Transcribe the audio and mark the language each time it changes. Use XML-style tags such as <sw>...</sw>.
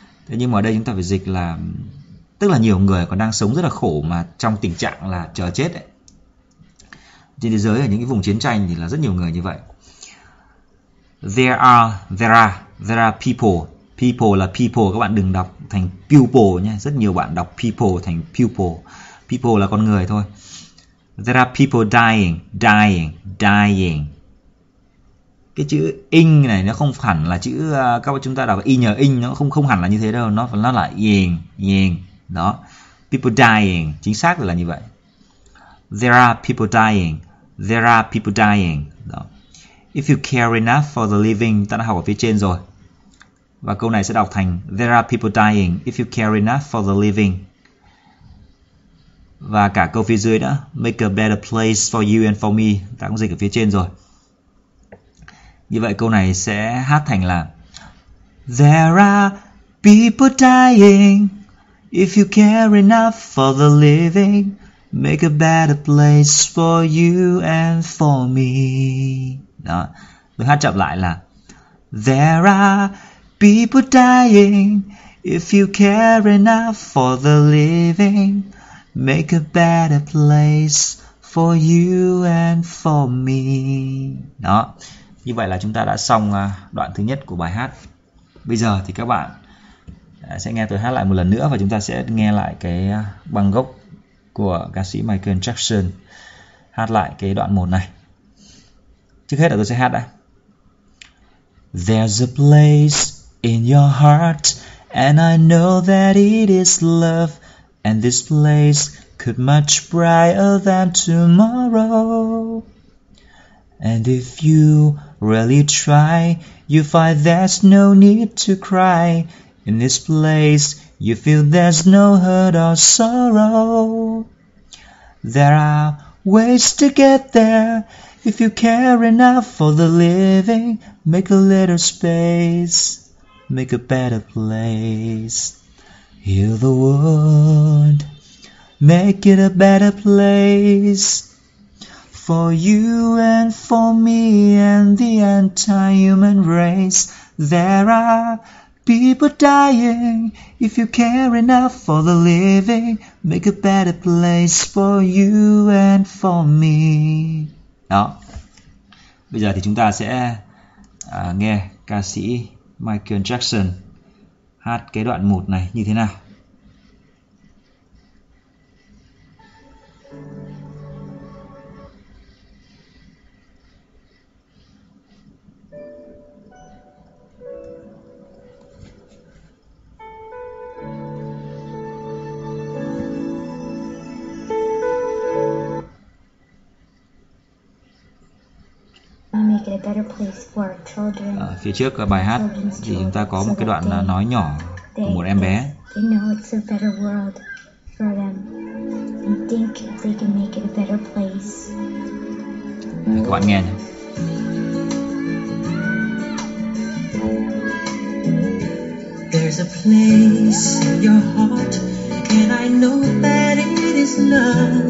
<vi>Thế nhưng mà ở đây chúng ta phải dịch là tức là nhiều người còn đang sống rất là khổ mà trong tình trạng là chờ chết ấy. Trên thế giới ở những cái vùng chiến tranh thì là rất nhiều người như vậy.</vi> <en>There are people.</en> <vi>People là people, các bạn đừng đọc thành pupil nhé. Rất nhiều bạn đọc people thành pupil. People là con người thôi.</vi> <en>There are people dying, dying, dying.</en> <vi>Cái chữ in này nó không hẳn là chữ các bạn chúng ta đọc in nhờ in, nó không không hẳn là như thế đâu. Nó là yên, yên. Đó.</vi> <en>People dying,</en> <vi>chính xác là như vậy.</vi> <en>There are people dying, there are people dying.</en> <vi>Đó.</vi> <en>If you care enough for the living,</en> <vi>ta đã học ở phía trên rồi. Và câu này sẽ đọc thành</vi> <en>there are people dying if you care enough for the living.</en> <vi>Và cả câu phía dưới đó,</vi> <en>make a better place for you and for me,</en> <vi>ta cũng dịch ở phía trên rồi. Như vậy câu này sẽ hát thành là</vi> <en>there are people dying if you care enough for the living, make a better place for you and for me.</en> <vi>Đó, tôi hát chậm lại là</vi> <en>there are people dying if you care enough for the living, make a better place for you and for me.</en> <vi>Đó. Như vậy là chúng ta đã xong đoạn thứ nhất của bài hát. Bây giờ thì các bạn sẽ nghe tôi hát lại một lần nữa và chúng ta sẽ nghe lại cái băng gốc của ca sĩ Michael Jackson hát lại cái đoạn 1 này. Trước hết là tôi sẽ hát đã.</vi> <en>There's a place in your heart and I know that it is love. And this place could much brighter than tomorrow. And if you really try, you find there's no need to cry. In this place, you feel there's no hurt or sorrow. There are ways to get there. If you care enough for the living, make a little space, make a better place. Heal the world, make it a better place for you and for me and the entire human race. There are people dying. If you care enough for the living, make a better place for you and for me.</en> <vi>Đó. Bây giờ thì chúng ta sẽ nghe ca sĩ Michael Jackson hát cái đoạn 1 này như thế nào.</vi> <en>Better place for children.</en> <vi>Phía trước bài hát thì chúng ta có một cái đoạn nói nhỏ</vi> <en>they,</en> <vi>của một em bé.</vi> <en>They know it's a better world for them. They think they can make it a better place.</en> <vi>Các bạn nghe nhé.</vi> <en>There's a place in your heart, and I know that it is love.</en>